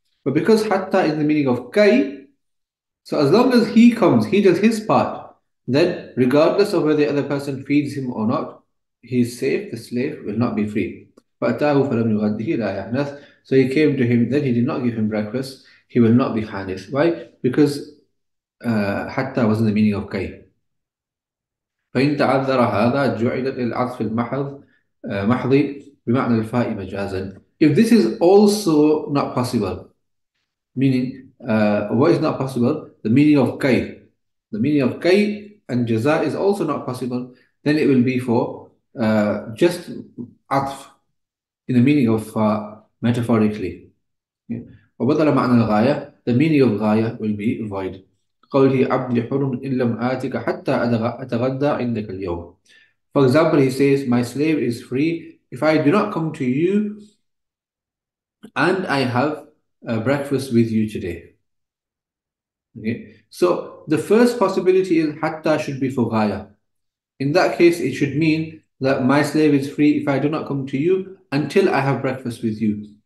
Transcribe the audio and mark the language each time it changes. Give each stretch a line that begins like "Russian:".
English: But because hatta is the meaning of kai, so as long as he comes, he does his part, then regardless of whether the other person feeds him or not, he's safe, the slave will not be free. So he came to him, then he did not give him breakfast, he will not be hanif. Why? Because hatta was in the meaning of kai.
Arabic: فإن تعذر هذا جعلت العطف المحض محضي بمعنى الفاء مجازا.
English: If this is also not possible, meaning what is not possible, the meaning of كي, the meaning of كي and جزاء is also not possible, then it will be for just عطف in the meaning of metaphorically.
Arabic: وبدل معنى الغاية,
English: the meaning of غاية will be void.
Arabic: قوله عبدي حر إن لم آتك حتى أتغدى عندك اليوم.
English: For example, he says, my slave is free if I do not come to you and I have breakfast with you today. Okay. So the first possibility is حتى should be for غاية. In that case, it should mean that my slave is free if I do not come to you until I have breakfast with you.